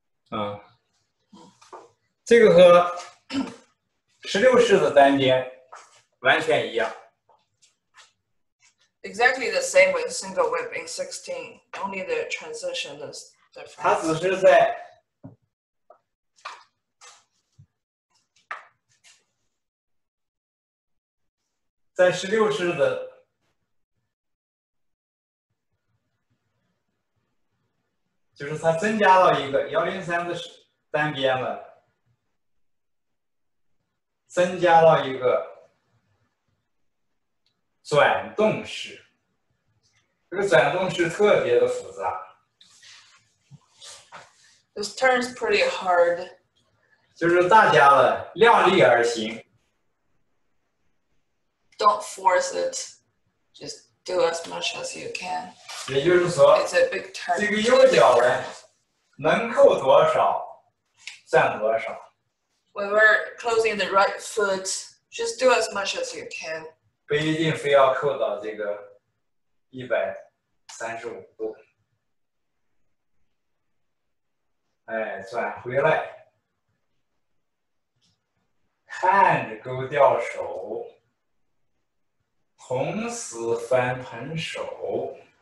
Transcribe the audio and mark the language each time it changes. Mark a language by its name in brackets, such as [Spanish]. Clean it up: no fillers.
[Chinese] 啊，这个和十六式的单肩完全一样。 [English] Exactly the same with single whip in 16, only the transition is different. [Chinese] 它只是在十六式的就是它增加了一个103的单边了，增加了一个转动式，这个转动式特别的复杂。 [English] This turns pretty hard. [Chinese] 就是大家的量力而行。 [English] Don't force it. Just do as much as you can. [Chinese] 也就是说，这个右脚呢，能扣多少算多少。 [English] When we're closing the right foot, just do as much as you can. [Chinese] 不一定非要扣到这个135度。哎，转回来，看着勾吊手，同时翻盆手。